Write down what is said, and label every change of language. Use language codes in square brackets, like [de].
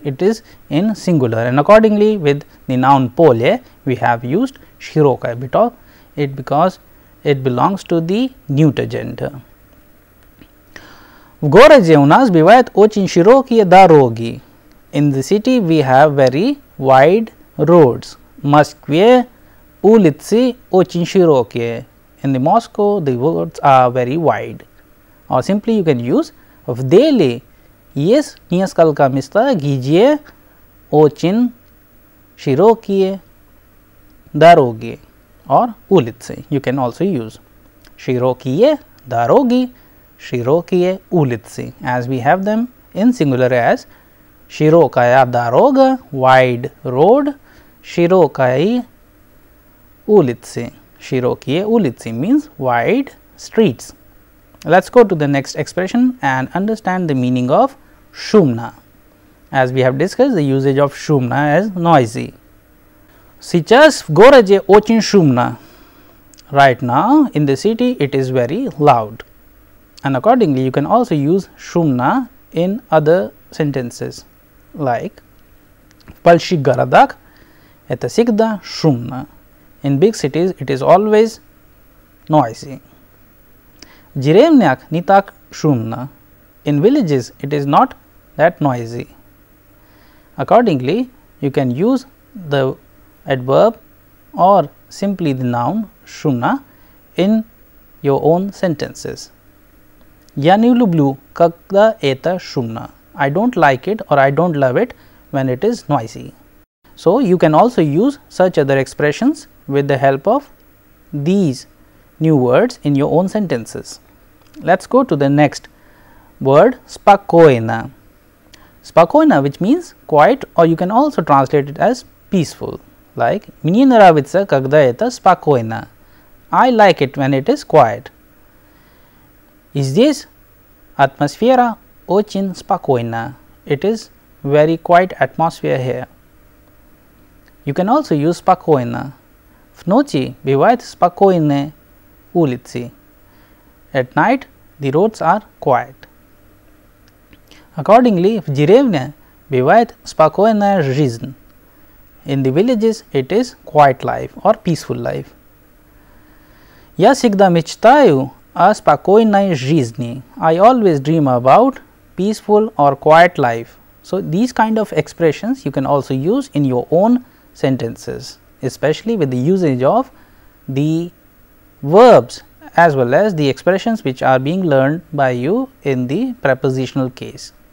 [en] It is in singular, and accordingly with the noun поле, we have used широкое because it belongs to the neuter gender. [ru] В городе у нас бывают очень широкие дороги. [en] In the city, we have very wide roads. [ru] Москве улицы очень широкие. [en] In the Moscow, the roads are very wide. Or simply, you can use [ru] в Дели есть несколько мест, где очень широкие дороги or улицы. [en] You can also use [ru] широкие дороги, широкие улицы, [en] as we have them in singular as [ru] широкая дорога, [en] wide road, широкие улицы. [ru] Широкие улицы [en] means wide streets. Let's go to the next expression and understand the meaning of шумно. As we have discussed, the usage of шумно as noisy. [ru] Сейчас в городе очень шумно. [en] Right now, in the city, it is very loud. And accordingly, you can also use шумно in other sentences like [ru] в больших городах это всегда шумно. [en] In big cities, it is always noisy. [ru] В деревнях не так шумно. [en] In villages, it is not that noisy. Accordingly, you can use the adverb or simply the noun шумно in your own sentences. [ru] Я не люблю, когда это шумно. [en] I don't like it or I don't love it when it is noisy. So, you can also use such other expressions with the help of these new words in your own sentences. Let's go to the next word, спокойно. Спокойно, which means quiet, or you can also translate it as peaceful. [ru] Like, мне нравится, когда это спокойно. [en] I like it when it is quiet. [ru] Здесь атмосфера очень спокойна. [en] It is very quiet atmosphere here. You can also use спокойно. [ru] В ночи бывают спокойные улицы. [en] At night, the roads are quiet. Accordingly, [ru] в деревне бывает спокойная жизнь. [en] In the villages, it is quiet life or peaceful life. [ru] Я всегда мечтаю о спокойной жизни. [en] I always dream about peaceful or quiet life. So, these kind of expressions you can also use in your own sentences, especially with the usage of the verbs as well as the expressions which are being learned by you in the prepositional case.